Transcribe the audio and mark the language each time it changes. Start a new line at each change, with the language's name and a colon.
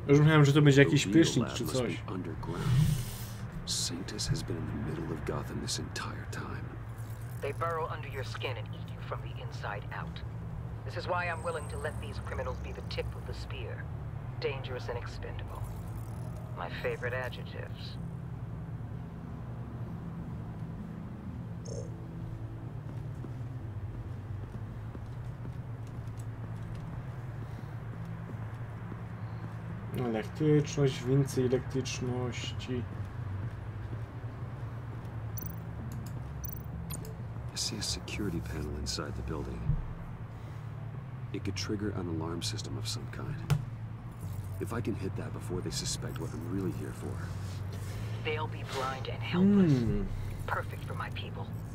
Polish: Rozumiem, że to będzie jakiś prysznic czy coś.
English: Sanctus has been in the middle of Gotham this entire time. They burrow under your skin and eat you from the inside out. This is why I'm willing to let these criminals be the tip of the spear. Dangerous and expendable. My favorite adjectives.
Polish: Elektryczność, więcej elektryczności.
English: I see a security panel inside the building. It could trigger an alarm system of some kind. If I can hit that before they suspect what I'm really here for. They'll be blind and helpless. Hmm. Perfect for my people.